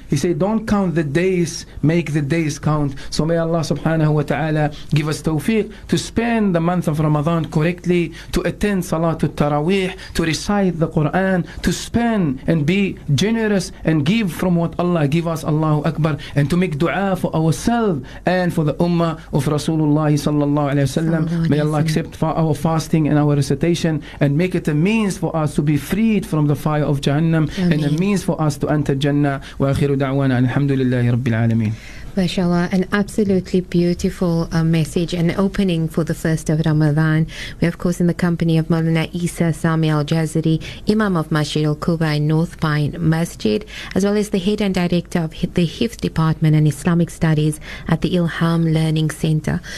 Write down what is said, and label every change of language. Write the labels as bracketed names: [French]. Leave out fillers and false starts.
[English] He said, don't count the days, make the days count. So may Allah subhanahu wa ta'ala give us tawfiq to spend the month of Ramadan correctly, to attend Salatul Taraweeh, to recite the Quran, to spend and be generous and give from what Allah give us, Allahu Akbar, and to make dua for ourselves and for the ummah of Rasulullah sallallahu alayhi wa sallam. May Allah accept for our fasting and our recitation and make it a means for us to be freed from the fire of Jahannam and a means for us to enter Jannah. [Arabic] وآخر دعوانا الحمد لله رب العالمين. [English] MashaAllah, an absolutely beautiful message and opening for the first of Ramadan. We're of course in the company of Maulana Isa Sami Al-Jazari, Imam of Masjid Al-Quba in North Pine Masjid, as well as the head and director of the Hifz Department and Islamic Studies at the Ilham Learning Center.